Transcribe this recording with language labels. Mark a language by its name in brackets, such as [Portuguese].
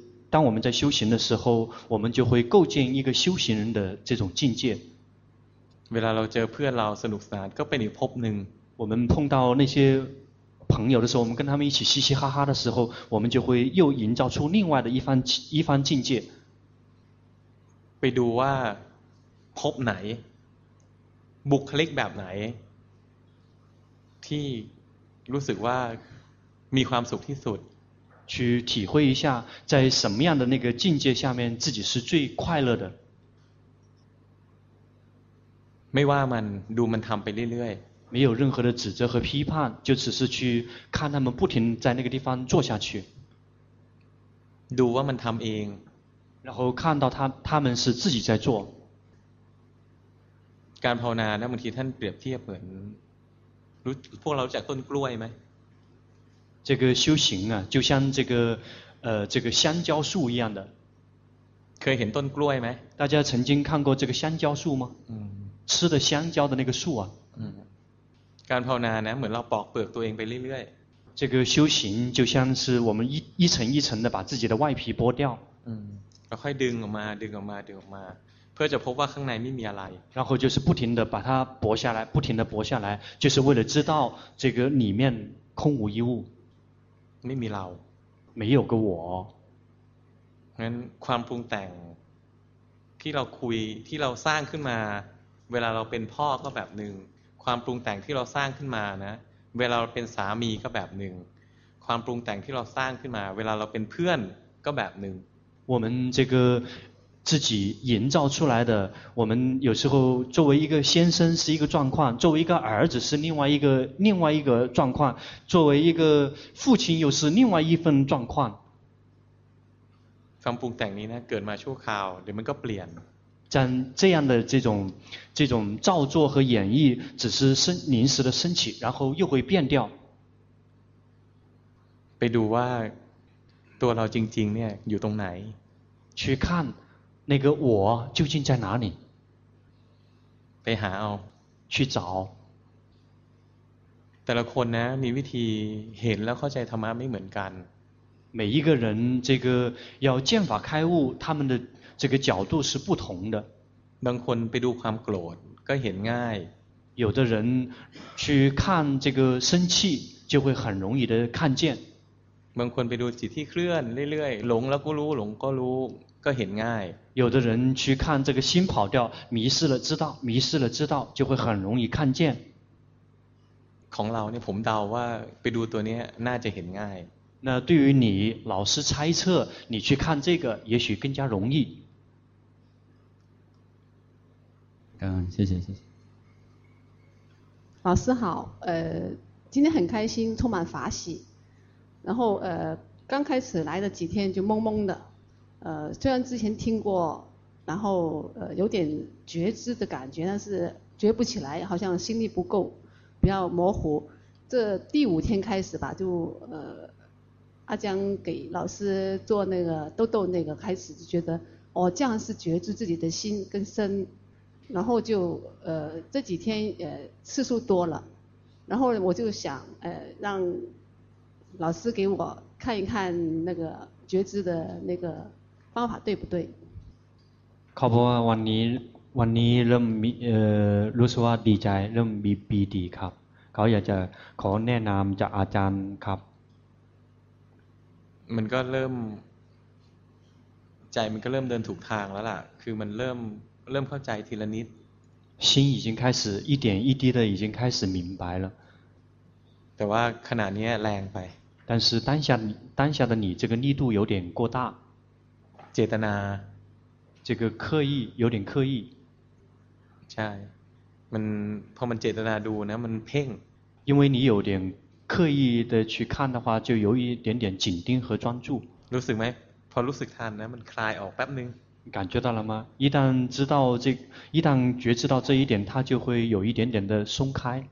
[Chinese] 当我们在修行的时候我们就会构建一个修行人的这种境界 [Thai] เวลาเราเจอเพื่อนเราสนุกสนานก็เป็นอีกภพหนึ่ง [Chinese] 我们碰到那些朋友的时候我们跟他们一起嘻嘻哈哈的时候我们就会又营造出另外的一番境界 [Thai] ไปดูว่า พบไหนบุคลิกแบบไหนที่รู้สึกว่ามีความสุขที่สุด [Chinese] 去体会一下在什么样的那个境界下面自己是最快乐的 [Thai] ไม่ว่ามันดูมันทำไปเรื่อย [Chinese] ๆ没有任何的指责和批判就只是去看他们不停在那个地方做下去 [Thai] ดูว่ามันทำเอง [Chinese] 然后看到他们是自己在做 [Thai] การภาวนานะบางทีท่านเปรียบเทียบเหมือนรู้พวกเราจากต้นกล้วยไหม [Chinese] 这个修行啊就像这个这个香蕉树一样的可以 [Thai] เห็นต้นกล้วยไหม [Chinese] 大家曾经看过这个香蕉树吗吃的香蕉的那个树啊 [Thai] การภาวนานะเหมือนเราปอกเปลือกตัวเองไปเรื่อย [Chinese] ๆ这个修行就像是我们一层一层的把自己的外皮剥掉 [Thai] เราค่อยดึงออกมาดึงออกมาดึงออกมาเพื่อจะพบว่าข้างในไม่มีอะไร [Chinese] 然后就是不停地把它剥下来不停地剥下来就是为了知道这个里面空无一物 [Thai] ไม่มีเรา [Chinese] 没有个我 [Thai] งั้นความปรุงแต่งที่เราคุยที่เราสร้างขึ้นมาเวลาเราเป็นพ่อก็แบบนึงความปรุงแต่งที่เราสร้างขึ้นมานะเวลาเราเป็นสามีก็แบบนึงความปรุงแต่งที่เราสร้างขึ้นมาเวลาเราเป็นเพื่อนก็แบบนึง [Chinese] 我们这个自己营造出来的我们有时候作为一个先生是一个状况作为一个儿子是另外一个状况作为一个父亲又是另外一份状况 [Thai] ความปรุงแต่งนี้นะเกิดมาชั่วคราวเดี๋ยวมันก็เปลี่ยน [Chinese] 像这样的这种造作和演绎只是临时的升起然后又会变掉 [Thai] ไปดูว่าตัวเราจริงๆเนี่ยอยู่ตรงไหน [Chinese] 去看那个我究竟在哪里 [Thai] ไปหาเอา [Chinese] 去找 [Thai] แต่ละคนนะมีวิธีเห็นแล้วเข้าใจธรรมะไม่เหมือนกัน [Chinese] 每一个人这个要见法开悟他们的这个角度是不同的 [Thai] บางคนไปดูความโกรธก็เห็นง่าย [Chinese] 有的人去看这个生气就会很容易的看见 [Thai] บางคนไปดูจิตที่เคลื่อนเรื่อยๆหลงแล้วก็รู้หลงก็รู้ก็เห็นง่าย [Chinese] 有的人去看这个心跑掉迷失了知道迷失了知道就会很容易看见 [Thai] ของเราเนี่ยผมเดาว่าไปดูตัวเนี้ยน่าจะเห็นง่าย [Chinese] 那对于你老师猜测你去看这个也许更加容易谢谢老师好今天很开心充满法喜然后刚开始来的几天就懵懵的虽然之前听过然后有点觉知的感觉但是觉不起来好像心力不够比较模糊这第五天开始吧就阿江给老师做那个豆豆那个开始就觉得哦这样是觉知自己的心跟身然后就这几天次数多了然后我就想让老师给我看一看那个觉知的那个方法对不对 [Thai] ขอบคุณวันนี้เริ่มรู้สึกว่าดีใจเริ่มมีปีดีครับเขาอยากจะขอแนะนำจากอาจารย์ครับ มันก็เริ่มใจมันก็เริ่มเดินถูกทางแล้วล่ะคือมันเริ่มเข้าใจทีละนิด [Chinese] 心已经开始一点一滴的已经开始明白了 [Thai] แต่ว่าขนาดนี้แรงไป [Chinese] 但是当下的你这个力度有点过大 [Thai] เจตนา [Chinese] 这个刻意有点刻意 [Thai] ใช่มันพอมันเจตนาดูนะมันเพ่ง [Chinese] 因为你有点刻意的去看的话就有一点点紧盯和专注 [Thai] รู้สึกไหมพอรู้สึกทันนะมันคลายออกแป๊บนึง [Chinese] 感觉到了吗一旦知道这一旦觉知到这一点它就会有一点点的松开